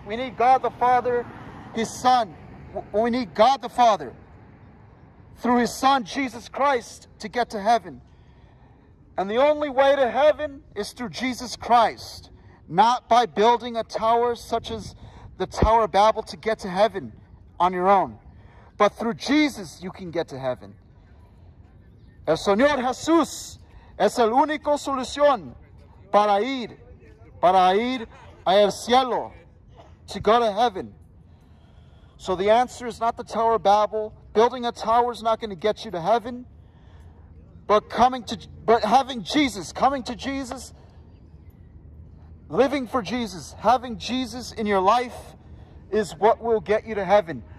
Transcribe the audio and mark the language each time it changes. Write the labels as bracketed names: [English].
[English] We need God the Father, His Son. We need God the Father through His Son, Jesus Christ, to get to heaven. And the only way to heaven is through Jesus Christ, not by building a tower such as the Tower of Babel to get to heaven on your own. But through Jesus, you can get to heaven. [Spanish] El Señor Jesús es el único solución para ir al cielo, [English] to go to heaven. So the answer is not the Tower of Babel. Building a tower is not going to get you to heaven. But having Jesus, living for Jesus, having Jesus in your life, is what will get you to heaven.